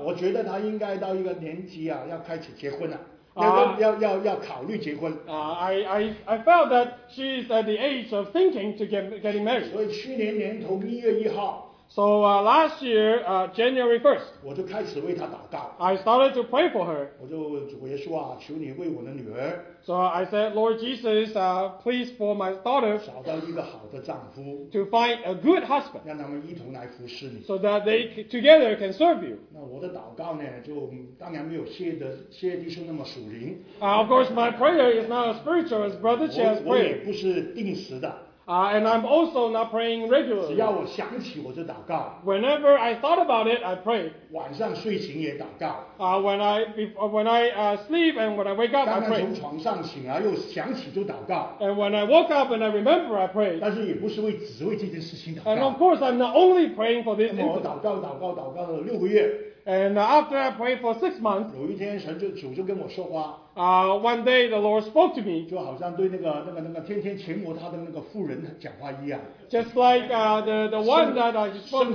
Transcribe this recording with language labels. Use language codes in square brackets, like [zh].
[zh] 我觉得她应该到一个年纪啊，要开始结婚了。要考虑结婚。 [en] I felt that she is at the age of thinking to getting married. [zh] 所以去年年头一月一号。 [en] So last year, January 1st. [zh] 我就开始为她祷告。 [en] I started to pray for her. [zh] 我就问主耶稣啊，求你为我的女儿。 [en] So I said, Lord Jesus, please for my daughter. [zh] 找到一个好的丈夫。 [en] To find a good husband. [zh] 让他们一同来服侍你。 [en] So that they together can serve you. [zh] 那我的祷告呢，就当然没有谢弟兄那么属灵。 [en] Of course, my prayer is not as spiritual as Brother Chia's prayer. [zh] 我也不是定时的。 [en] And I'm also not praying regularly. [zh] 只要我想起我就祷告。 [en] Whenever I thought about it, I pray. [zh] 晚上睡醒也祷告。 [en] When I sleep and when I wake up, I pray. [zh] 刚刚从床上醒来又想起就祷告。 [en] And when I woke up and I remember, I pray. [zh] 但是也不是只为这件事情祷告。 [en] And of course, I'm not only praying for this incident. [zh] 我祷告了六个月。 [en] And after I prayed for 6 months, [zh] 有一天主就跟我说话。 [en] One day the Lord spoke to me, [zh] 就好像对那个天天前摩他的那个妇人讲话一样。 [en] Just like the one that I spoke to.